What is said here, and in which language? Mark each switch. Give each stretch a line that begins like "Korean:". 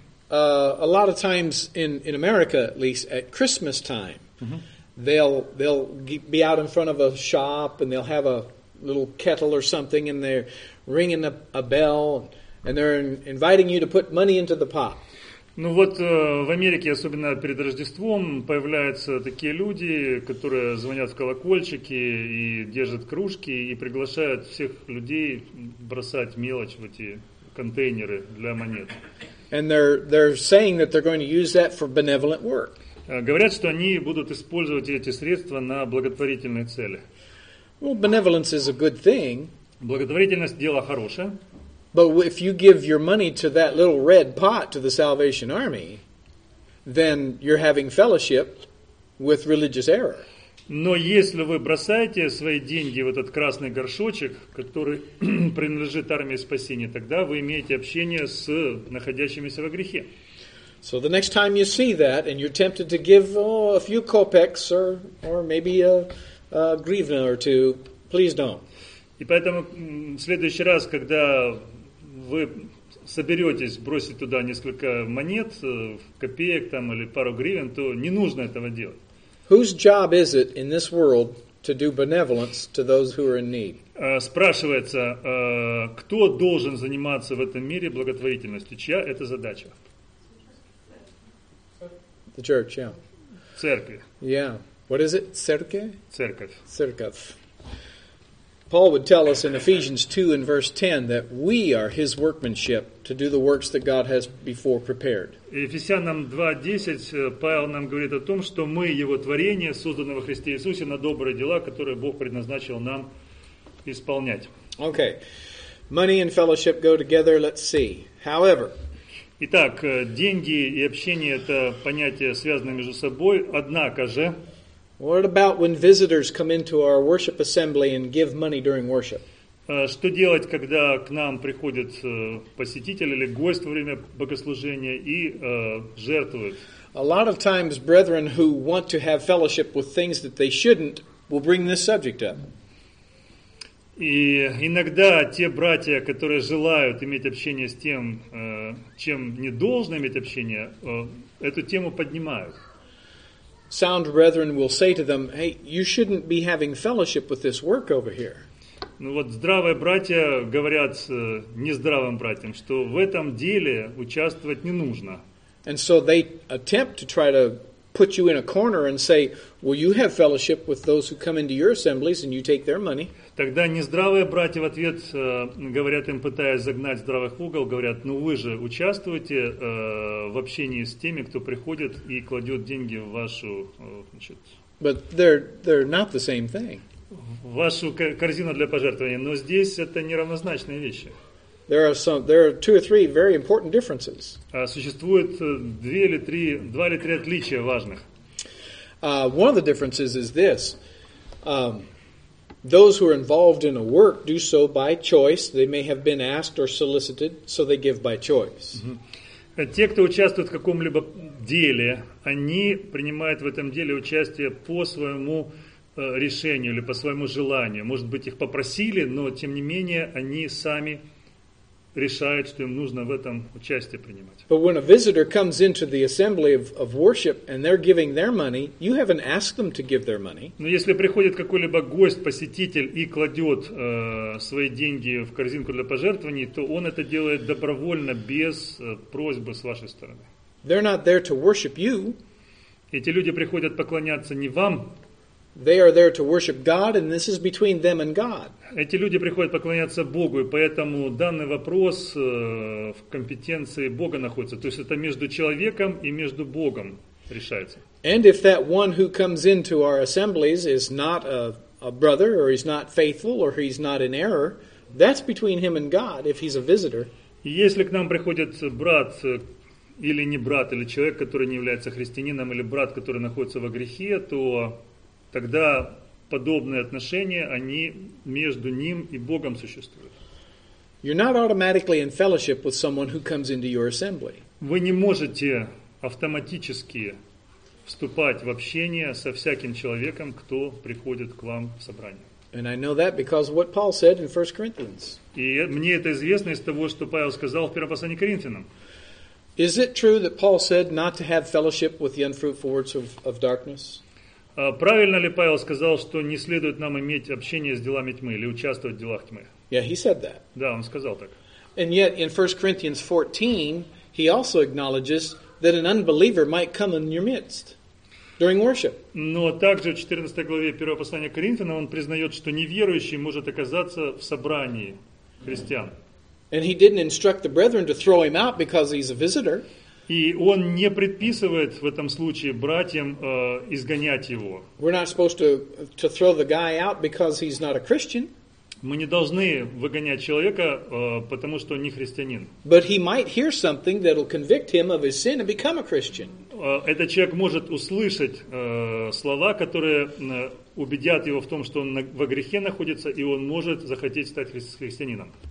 English: A lot of times in America, at least at Christmas time, mm-hmm. they'll be out in front of a shop and they'll have a little kettle or something and they're ringing a bell and they're inviting you to put money into the pot.
Russian: Ну вот в Америке, особенно перед Рождеством, появляются такие люди, которые звонят в колокольчики и держат кружки и приглашают всех людей бросать мелочь в эти контейнеры для монет.
English: And they're saying that they're going to use that for benevolent work.
Russian: Говорят, что они будут использовать эти средства на благотворительные цели.
English: Well, benevolence is a good thing.
Russian: Благотворительность – дело хорошее.
English: But if you give your money to that little red pot to the Salvation Army, then you're having fellowship with religious error.
Russian: Но если вы бросаете свои деньги в этот красный горшочек, который принадлежит Армии Спасения, тогда вы имеете общение с находящимися во грехе.
English: So the next time you see that and you're tempted to give a few kopecks or maybe a hryvnia or two, please don't.
Russian: И поэтому в следующий раз, когда вы соберетесь бросить туда несколько монет, копеек там или пару гривен, то не нужно этого делать.
English: Whose job is it in this world to do benevolence to those who are in need?
Russian: Спрашивается, кто должен заниматься в этом мире благотворительностью? Чья это задача?
English: The church, yeah.
Russian: Церкви.
English: Yeah. What is it?
Russian: Церкви? Церковь. Церковь.
English: Paul would tell us in Ephesians 2 and verse 10 that we are his workmanship to do the works that God has before prepared.
Russian: Ефесянам 2:10 Павел нам говорит о том, что мы его творение, созданное во Христе Иисусе на добрые дела, которые Бог предназначил нам исполнять.
English: Okay. Money and fellowship go together, let's see. However,
Russian: итак, деньги и общение это понятия, связанные между собой, однако же
English: what about when visitors come into our worship assembly and give money during worship?
Russian: Что делать, когда к нам приходит посетитель или гость во время богослужения и жертвует?
English: A lot of times brethren who want to have fellowship with things that they shouldn't will bring this subject up.
Russian: И иногда те братья, которые желают иметь общение с тем, чем не должны иметь общение, эту тему поднимают.
English: Sound brethren will say to them, "Hey, you shouldn't be having fellowship with this work over here."
Russian: Ну вот здравые братья говорят нездравым братьям, что в этом деле участвовать не нужно.
English: And so they attempt to try to put you in a corner and say, well, you have fellowship with those who come into your assemblies and you take their money.
Russian: Тогда нездравые братья в ответ говорят им, пытаясь загнать здравых в угол, говорят, ну вы же участвуете в общении с теми, кто приходит и кладет деньги в вашу... значит,
English: but they're not the same thing.
Russian: В вашу корзину для пожертвования. Но здесь это неравнозначные вещи.
English: There are two or three very important differences.
Russian: Существует два или три отличия важных.
English: One of the differences is this. Those who are involved in a work do so by choice. They may have been asked or solicited, so they give by choice.
Russian: Те, кто участвует в каком-либо деле, они принимают в этом деле участие по своему решению или по своему желанию. Может быть, их попросили, но тем не менее они сами решают, что им нужно в этом участие принимать.
English: But when a visitor comes into the assembly of worship and they're giving their money, you haven't asked them to give their money.
Russian: Но если приходит какой-либо гость, посетитель и кладет свои деньги в корзинку для пожертвований, то он это делает добровольно, без просьбы с вашей стороны.
English: They're not there to worship you.
Russian: Эти люди приходят поклоняться не вам.
English: They are there to worship God, and this is between them and God.
Russian: Эти люди приходят поклоняться Богу, и поэтому данный вопрос в компетенции Бога находится. То есть это между человеком и между Богом решается.
English: And if that one who comes into our assemblies is not a brother, or he's not faithful, or he's not in error, that's between him and God if he's a visitor.
Russian: Если к нам приходит брат или не брат, или человек, который не является христианином, или брат, который находится во грехе, то... тогда подобные отношения, они между ним и Богом существуют.
English: You're not automatically in fellowship with someone who comes into your assembly.
Russian: Вы не можете автоматически вступать в общение со всяким человеком, кто приходит к вам в собрание.
English: And I know that because of what Paul said in 1 Corinthians.
Russian: И мне это известно из того, что Павел сказал в первом послании к Коринфянам.
English: Is it true that Paul said not to have fellowship with the unfruitful works of darkness?
Russian: Правильно ли Павел сказал, что не следует нам иметь общение с делами тьмы или участвовать в делах тьмы?
English: Yeah, he said that.
Russian: Да, он сказал так.
English: And yet in 1 Corinthians 14 he also acknowledges that an unbeliever might come in your midst during worship.
Russian: Но также в 14 главе 1 послания Коринфянам он признает, что неверующий может оказаться в собрании христиан.
English: And he didn't instruct the brethren to throw him out because he's a visitor.
Russian: И он не предписывает в этом случае братьям изгонять его.
English: We're not supposed to throw the guy out because he's not a Christian.
Russian: Мы не должны выгонять человека, потому что он не христианин.
English: But he might hear something that'll convict him of his sin and become a Christian.
Russian: Этот человек может услышать слова, которые убедят его в том, что он во грехе находится, и он может захотеть стать христианином.